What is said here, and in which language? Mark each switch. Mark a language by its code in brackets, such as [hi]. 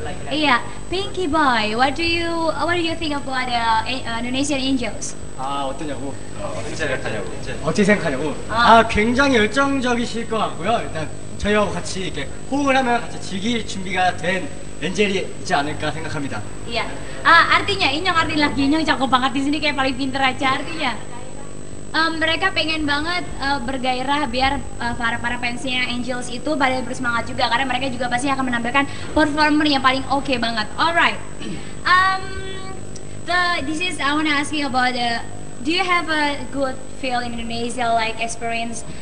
[en] iya, Pinky Boy, what do you think about the Indonesian Angels? [ko] 어떠냐고? 생각하냐고? 어찌 생각하냐고? 굉장히 열정적이실 것 같고요. 일단 저희하고 같이 이렇게 호흡을 하면 같이 즐길 준비가 된 엔젤이지 않을까 생각합니다. [id] 이야, yeah. 아, artinya Inyong artinya lagi Inyong jago banget di sini kayak paling pinter aja artinya. Mereka pengen banget bergairah biar para fansnya Angels itu pada bersemangat juga karena mereka juga pasti akan menampilkan performer yang paling oke banget. [en] Alright, I want to ask you about the, do you have a good feel in Indonesia like experience?